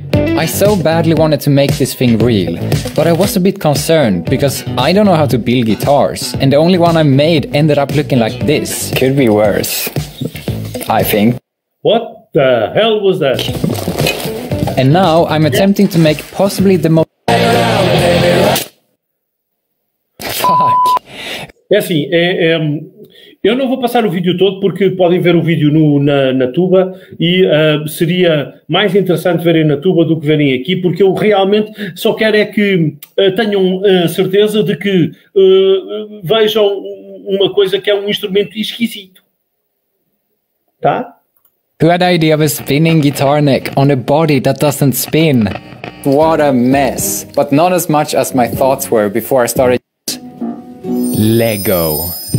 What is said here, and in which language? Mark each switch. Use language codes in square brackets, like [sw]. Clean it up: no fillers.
[en] I so badly wanted to make this thing real, but I was a bit concerned because I don't know how to build guitars, and the only one I made ended up looking like this. Could be worse, I think. What the hell was that? And now I'm attempting to make possibly the most. Fuck. [pt] É assim, eu não vou passar o vídeo todo porque podem ver o vídeo na tuba e seria mais interessante verem na tuba do que verem aqui, porque eu realmente só quero é que tenham certeza de que vejam uma coisa que é um instrumento esquisito. Tá? [en] Who had the idea of a spinning guitar neck on a body that doesn't spin? What a mess! But not as much as my thoughts were before I started. Lego.